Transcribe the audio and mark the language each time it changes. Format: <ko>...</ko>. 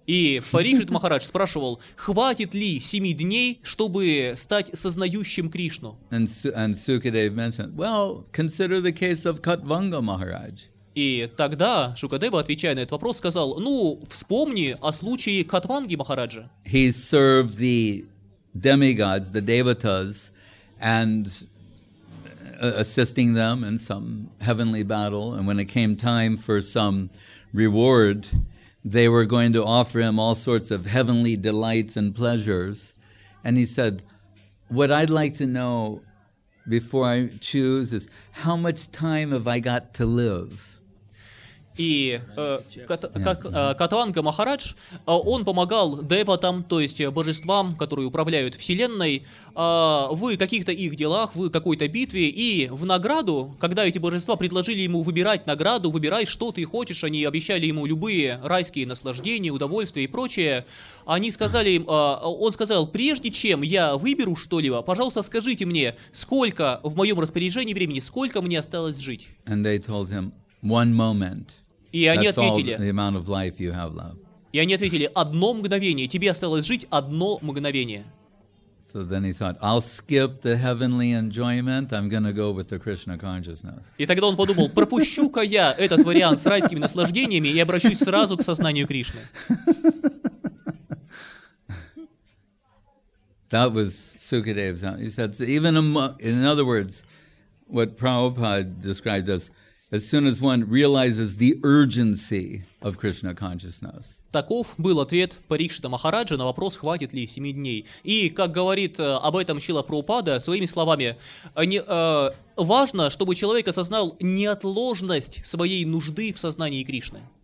<ru>И Парикшит Махарадж спрашивал, хватит ли 7 дней, чтобы стать сознающим Кришну?</ru> <en>And Sukadev mentioned, well, consider the case of Katvanga Maharaj.</en> <ru>И тогда Шукадева, отвечая на этот вопрос, сказал, ну, вспомни о случае Катванги Махараджа.</ru> <en>He served the demigods, the devatas, and assisting them in some heavenly battle. And when it came time for some reward, they were going to offer him all sorts of heavenly delights and pleasures. And he said, what I'd like to know before I choose is, how much time have I got to live?</en> <ru>И Катванга Махарадж, он помогал деватам, то есть божествам, которые управляют вселенной, в каких-то их делах, в какой-то битве, и в награду, когда эти божества предложили ему выбирать награду, выбирай, что ты хочешь, они обещали ему любые райские наслаждения, удовольствия и прочее, они сказали им, он сказал, прежде чем я выберу что-либо, пожалуйста, скажите мне, сколько в моем распоряжении времени, сколько мне осталось жить?</ru> <en>And they told him, one moment.</en> <ru>И они ответили.</ru> <en>The amount of life you have left.</en> <ru>И они ответили: одно мгновение. Тебе осталось жить одно мгновение.</ru> <en>So then he thought, I'll skip the heavenly enjoyment. I'm gonna go with the Krishna consciousness.</en> <ru>И тогда он подумал: пропущу-ка я этот вариант с райскими наслаждениями и обращусь сразу к сознанию Кришны.</ru> <en>That was Sukadev's. He said, even in other words, what Prabhupada described as. As soon as one realizes the urgency of Krishna consciousness.</en> <ru>Таков был ответ Парикшита Махараджа на вопрос, хватит ли 7 дней. И, как говорит об этом Шрила Прабхупада, своими словами, важно, чтобы человек осознал неотложность своей нужды в сознании Кришны.</ru>